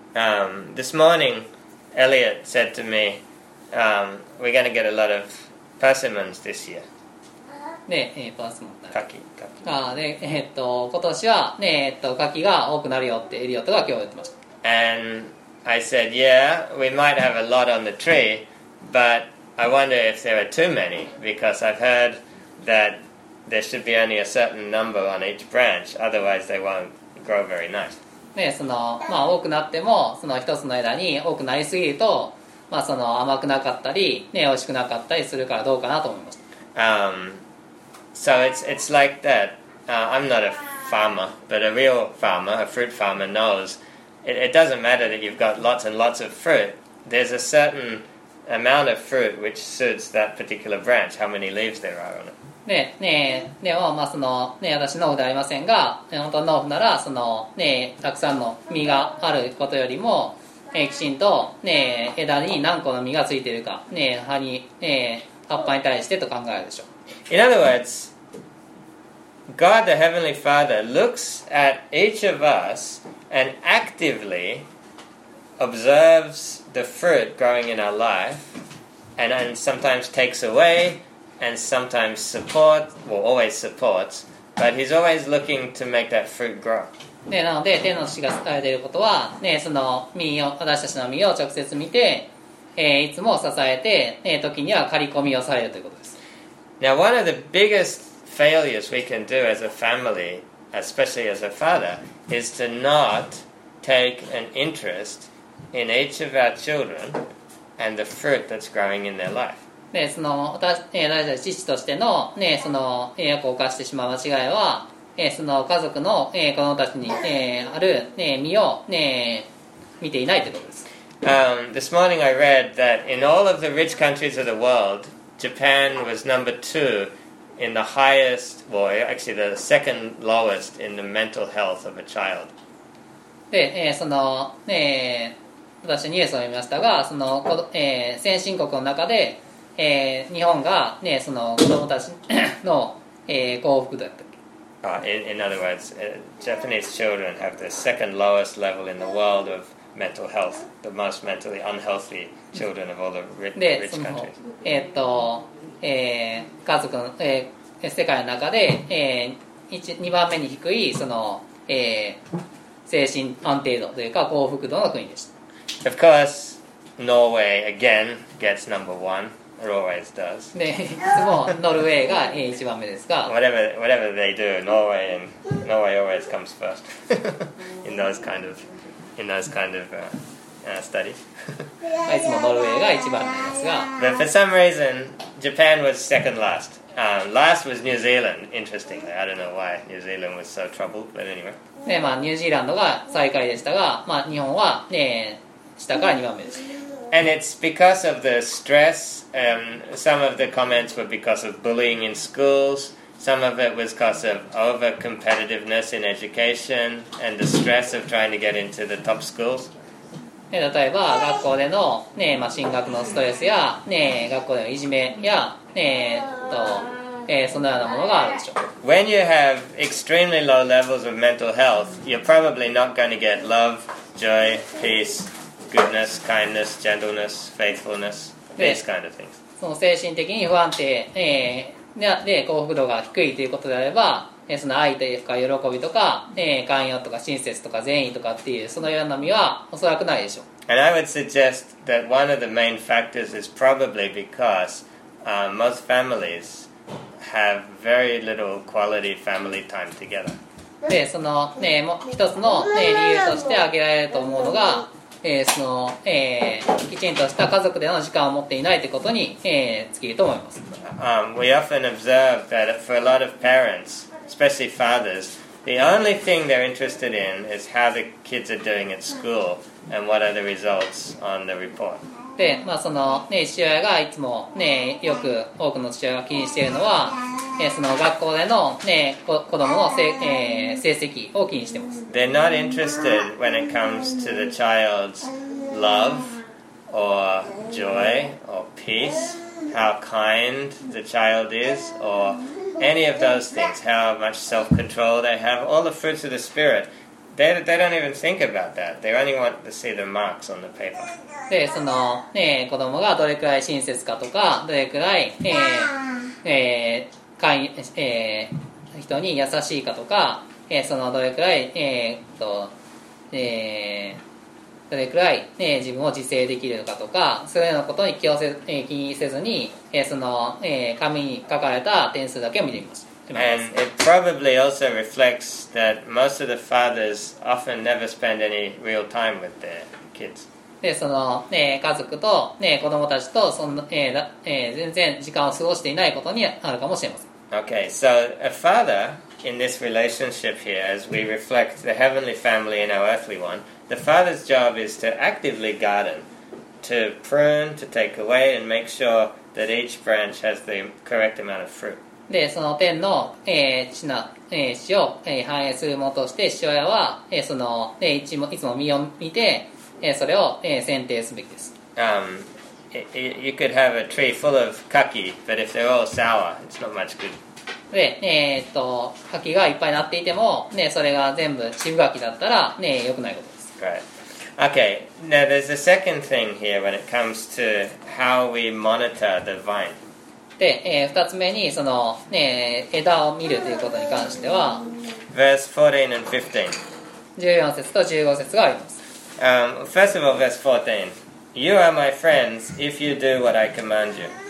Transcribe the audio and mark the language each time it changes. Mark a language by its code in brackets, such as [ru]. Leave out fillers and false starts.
[en] This morning, Elliot said to me, we're going to get a lot of persimmons this year. [ja] ね、パスモンだ。牡蠣。ああ、で、今年はね、牡蠣が多くなるよってエリオットが今日言ってました。 [en] And I said, yeah, we might have a lot on the tree, but I wonder if there are too many because I've heard that there should be only a certain number on each branch, otherwise they won't grow very nice. [ja] ね、そのまあ多くなってもその一つの枝に多くなりすぎると、まあその甘くなかったりね、美味しくなかったりするからどうかなと思いました。 [en] So it's like that. I'm not a farmer, but a real farmer, a fruit farmer, knows it doesn't matter that you've got lots and lots of fruit. There's a certain amount of fruit which suits that particular branch, how many leaves there are on it. [ja] ねえ、まあ、その、ね、私農夫ではありませんが、本当の農夫なら、その、ね、たくさんの実があることよりも、きちんと、ね、枝に何個の実がついているか、ね、葉に、ね、葉っぱに対してと考えるでしょう。 [en] In other words, God the Heavenly Father looks at each of us and actively observes the fruit growing in our life and sometimes takes away and sometimes supports, well, always supports, but He's always looking to make that fruit grow. [ja] ね、なので、天の父が伝えていることは、ね、その実を、私たちの実を直接見て、いつも支えて、ね、時には刈り込みをされるということです。 [en] Now, one of the biggest failures we can do as a family, especially as a father, is to not take an interest in each of our children and the fruit that's growing in their life. [ja] ね、その、私、父としての、ね、その、よく犯してしまう間違いは、その、家族の、子供たちに、ある、ね、身を、ね、見ていないということです。 [en] This morning I read that in all of the rich countries of the world,Japan was number two in the highest, well, actually the second lowest in the mental health of a child. [ja] で、その、私はニュースを見ましたが、その、先進国の中で、日本が、ね、その子供たちの、幸福度だったっけ。 [en] In other words, Japanese children have the second lowest level in the world of mental health, the most mentally unhealthy. Children of all the rich countries. [ja] で、その、家族の、世界の中で、2番目に低いその、精神安定度というか幸福度の国でした。 [en] Of course, Norway again gets number one. It always does. [ja] で、いつもノルウェーが1番目ですが。 [en] whatever they do, Norway always comes first in those kind of studies. [ja] いつもノルウェーが一番なんですが。 [en] But for some reason, Japan was second last. Last was New Zealand, interestingly. I don't know why New Zealand was so troubled, but anyway. [ja] ね、まあ、ニュージーランドが最下位でしたが、まあ、日本は、ね、下から2番目です。 [en] And it's because of the stress. Some of the comments were because of bullying in schools. Some of it was because of over-competitiveness in education and the stress of trying to get into the top schools. [ja] 例えば学校での、ねまあ、進学のストレスや、ね、学校でのいじめや、ねそのようなものがあるでしょう。 [en] When you have extremely low levels of mental health, you're probably not going to get love, joy, peace, goodness, kindness, gentleness, faithfulness, these kind of things. [ja] その精神的に不安定、で幸福度が低いということであれば、その愛というか喜びとか、寛容とか親切とか善意とかっていうそのような身はおそらくないでしょう。 [en] And I would suggest that one of the main factors is probably because、most families have very little quality family time together. [ja] で、その、もう一つの、理由として挙げられると思うのが、その、きちんとした家族での時間を持っていないということに、尽きると思います。 [en] We often observe that for a lot of parents, especially fathers, the only thing they're interested in is how the kids are doing at school. And what are the results on the report? [ja] で、まあその、父親がいつも、よく多くの父親が気にしているのは、その学校での、子供の成績を気にしています。 [en] They're not interested when it comes to the child's love or joy or peace, how kind the child is or any of those things, how much self-control they have, all the fruits of the spirit. They don't even think about that. They only want to see the marks on the paper. [ja] で、その、子供がどれくらい親切かとか、どれくらい、人に優しいかとか、そのどれくらい、どれくらい、自分を自制できるかとか、そういうようなことに気にせずに、その、紙に書かれた点数だけを見てみます。 [en] And it probably also reflects that most of the fathers often never spend any real time with their kids. [ja] で、その、家族と、子供たちとそんな、全然時間を過ごしていないことにあるかもしれません。 [en] Okay, so a father in this relationship here, as we reflect the heavenly family in our earthly one, the father's job is to actively garden, to prune, to take away, and make sure that each branch has the correct amount of fruit. [ja] で、その天の、地を、反映するものとして、父親は、その、いつも身を見て、それを、剪定すべきです。 [en] You could have a tree full of kaki, but if they're all sour, it's not much good. [ja] で、柿がいっぱいなっていても、それが全部渋柿だったら、良くないことです。 [en] Right. Okay. Now, there's a second thing here when it comes to how we monitor the vine. [ja] で、二つ目にその、枝を見るということに関しては [en] Verse 14 and 15 14 [ja] 節と15節があります、 [en] First of all, verse 14 You are my friends if you do what I command you